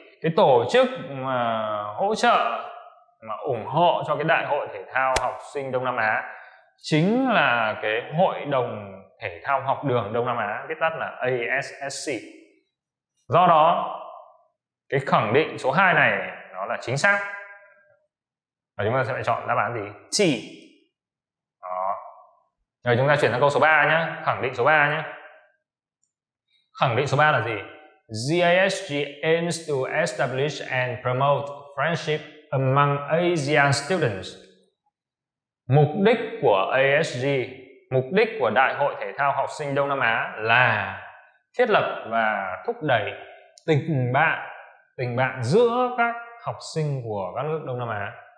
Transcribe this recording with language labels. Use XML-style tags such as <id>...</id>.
<vi>Cái tổ chức mà hỗ trợ, mà ủng hộ cho cái đại hội thể thao học sinh Đông Nam Á chính là cái hội đồng thể thao học đường Đông Nam Á, viết tắt là ASSC. Do đó, cái khẳng định số 2 này nó là chính xác. Và chúng ta sẽ phải chọn đáp án gì? C. Đó. Rồi chúng ta chuyển sang câu số 3 nhé. Khẳng định số 3 nhé. Khẳng định số 3 là gì?</vi> <en>ZISG aims to establish and promote friendship among ASEAN students.</en> <vi>Mục đích của ASG, mục đích của Đại hội Thể thao Học sinh Đông Nam Á là thiết lập và thúc đẩy tình bạn giữa các học sinh của các nước Đông Nam Á.</vi>